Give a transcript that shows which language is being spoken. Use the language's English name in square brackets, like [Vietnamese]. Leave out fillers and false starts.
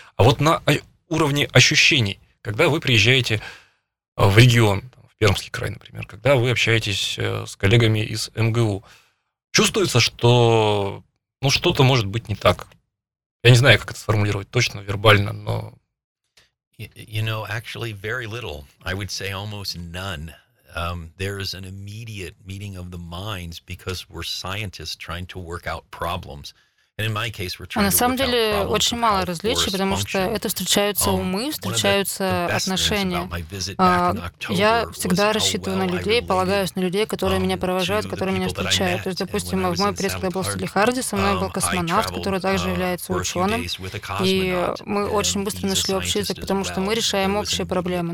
[Russian] А вот на уровне ощущений, когда вы приезжаете в регион, там, в Пермский край, например, когда вы общаетесь с коллегами из МГУ, чувствуется, что что-то может быть не так. Я не знаю, как это сформулировать точно, вербально, но... [English] Actually, very little. I would say almost none. There is an immediate meeting of the minds because we're scientists trying to work out problems. And in my case, we're trying problems. [Russian] На самом деле очень мало различий, потому что это встречаются умы, встречаются отношения. Я всегда рассчитываю на людей, полагаюсь на людей, которые меня провожают, которые меня встречают. То есть, допустим, в мой приезд, когда был в Салехарде, со мной был космонавт, который также является ученым, и мы очень быстро нашли общий язык, потому что мы решаем общие проблемы.